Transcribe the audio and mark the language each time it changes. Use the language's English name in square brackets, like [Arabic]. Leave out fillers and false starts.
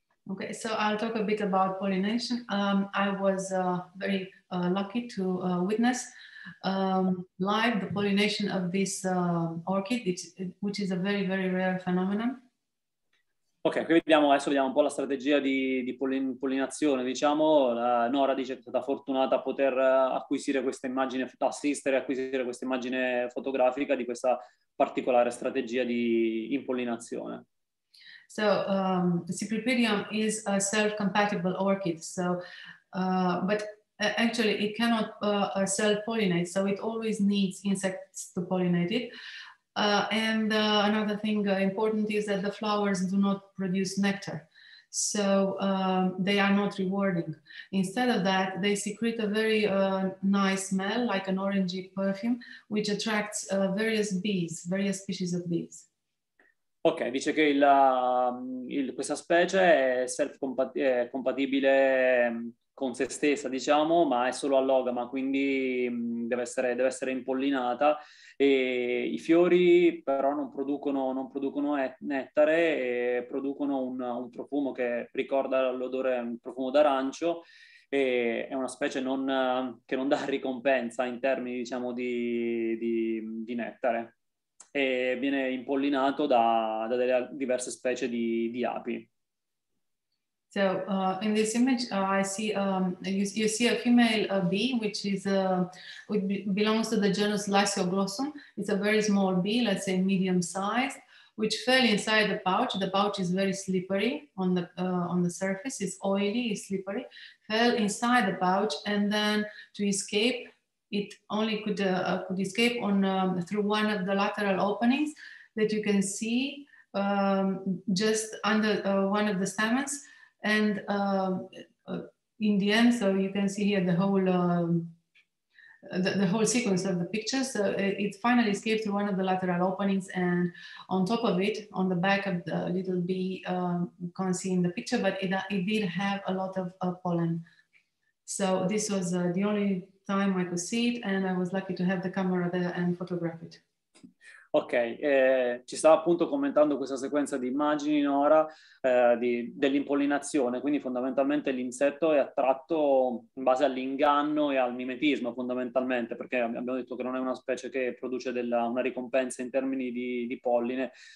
[English] Okay, so I'll talk a bit about pollination. I was very lucky to witness live the pollination of this orchid, which is a very, very rare phenomenon. [Italian] Ok, qui vediamo, adesso vediamo un po' la strategia di pollinazione, diciamo. Nora dice che è stata fortunata a poter acquisire questa immagine, assistere e acquisire questa immagine fotografica di questa particolare strategia di impollinazione. [English] So, Cypripedium is a self-compatible orchid, so, but actually it cannot self-pollinate, so it always needs insects to pollinate it. And another thing important is that the flowers do not produce nectar, so they are not rewarding. Instead of that, they secrete a very nice smell, like an orangey perfume, which attracts various bees, various species of bees. [Italian] Ok, dice che questa specie è compatibile con se stessa, diciamo, ma è solo allogama, quindi deve essere impollinata. E i fiori però non producono nettare, e producono un profumo che ricorda l'odore, un profumo d'arancio, e è una specie che non dà ricompensa in termini, diciamo, di nettare. E viene impollinato da delle diverse specie di api. [English] So in this image I see you see a female bee which is which belongs to the genus Lysioglossum. It's a very small bee, let's say medium sized, which fell inside the pouch. The pouch is very slippery on the surface. It's oily, it's slippery. Fell inside the pouch and then to escape it only could escape on through one of the lateral openings that you can see just under one of the stamens. And in the end, so you can see here the whole sequence of the picture. So it finally escaped through one of the lateral openings and on top of it, on the back of the little bee, you can't see in the picture, but it did have a lot of pollen. So this was the only time I could see it and I was lucky to have the camera there and photograph it. [Italian] Ok, ci stava appunto commentando questa sequenza di immagini Nora dell'impollinazione, quindi fondamentalmente l'insetto è attratto in base all'inganno e al mimetismo fondamentalmente, perché abbiamo detto che non è una specie che produce una ricompensa in termini di polline.